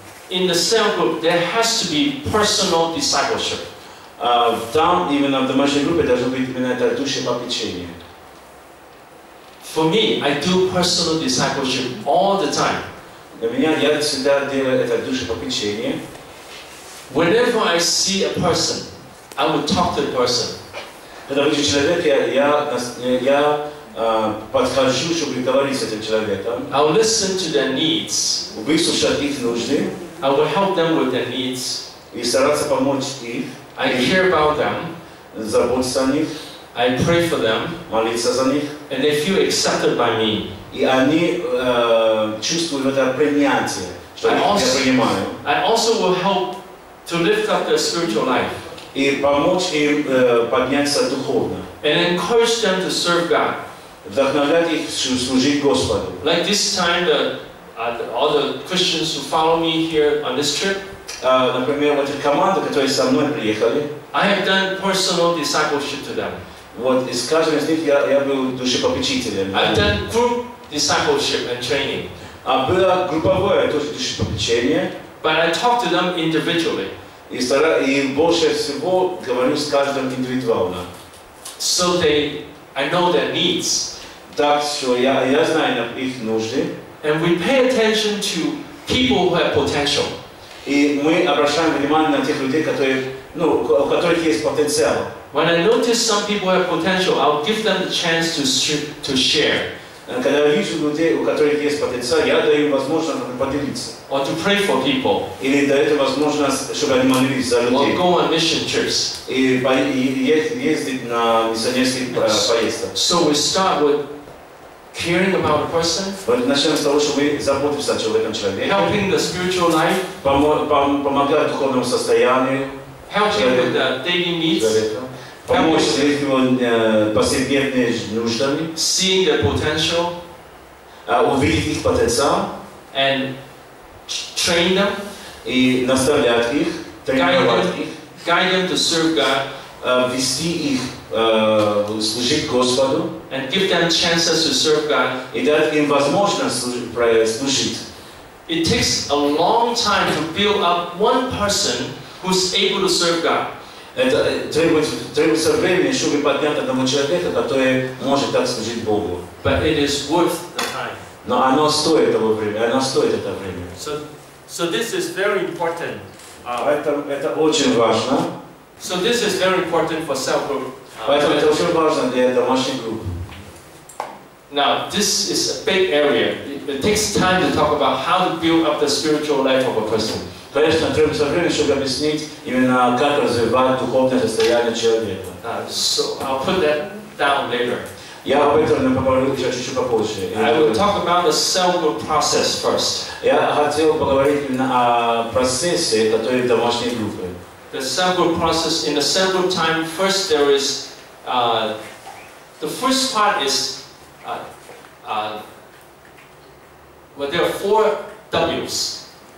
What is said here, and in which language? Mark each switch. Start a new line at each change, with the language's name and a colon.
English: In the cell group, there has to be personal discipleship.
Russian: Там именно в домашней группе должно быть именно это душевное попечение.
English: For me, I do personal discipleship all the time.
Russian: Для меня я всегда делаю это душевное попечение.
English: Whenever I see a person, I would talk to the person.
Russian: Когда вижу человека, я подхожу, чтобы говорить с этим человеком.
English: I will listen to their needs.
Russian: Выслушать их нужды.
English: I will help them with their needs.
Russian: И стараться помочь их.
English: I care about them.
Russian: Заботиться о них.
English: I pray for them.
Russian: Молиться за них.
English: And they feel accepted by me.
Russian: И они чувствуют это принятие, что я принимаю.
English: I also will help to lift up their spiritual life.
Russian: И помочь им подняться духовно.
English: And encourage them to serve God.
Russian: Вдохновлять их служить Господу.
English: Like this time the all the Christians who follow me here on this trip.
Russian: Например, вот эта команда, которая со мной приехали.
English: I have done personal discipleship to them.
Russian: Вот из каждого из них я был душепопечителем.
English: I've done group discipleship and training.
Russian: Было групповое тоже душепопечение.
English: But I talk to them individually.
Russian: И больше всего говорю с каждым индивидуально.
English: So they, I know their needs.
Russian: Так что я знаю их нужды.
English: And we pay attention to people who have potential.
Russian: И мы обращаем внимание на тех людей, у которых есть потенциал.
English: When I notice some people have potential, I'll give them the chance to share.
Russian: Когда я вижу людей, у которых есть потенциал, я даю им возможность поделиться.
English: Or to pray for people.
Russian: Или даю им возможность, чтобы они молились за людей.
English: Or go on mission trips.
Russian: И ездить на миссионерские поездки.
English: So we start with caring about a person.
Russian: Начнем с того, что мы заботимся о человеком человеке.
English: Helping the spiritual life.
Russian: Помогая духовному состоянию.
English: Helping with the daily needs.
Russian: Помочь с их повседневными нуждами,
English: seeing their potential,
Russian: увидеть их потенциал,
English: and train them,
Russian: и наставлять их,
English: guide them to serve God,
Russian: вести их служить Господу,
English: and give them chances to serve God,
Russian: и дать им возможность служить.
English: It takes a long time to build up one person who's able to serve God.
Russian: Это требуется время, чтобы поднять одного человека, который может так служить Богу.
English: But it is worth the time.
Russian: Но оно стоит того времени, оно стоит это время.
English: So this is very important.
Russian: Это очень важно.
English: So this is very important for cell group.
Russian: Поэтому это очень важно для домашней группы.
English: Now, this is a big area. It takes time to talk about how to build up the spiritual life of a person.
Russian: Конечно, требуется время, чтобы объяснить именно как развивать духовное состояние человека.
English: So I'll put that down later.
Russian: Я об этом поговорю чуть-чуть попозже.
English: I will talk about the cell group process first.
Russian: Я хотел поговорить именно о процессе, который в домашней группе.
English: The cell group process in the cell group time. First, there is the first part is well, there are four W's.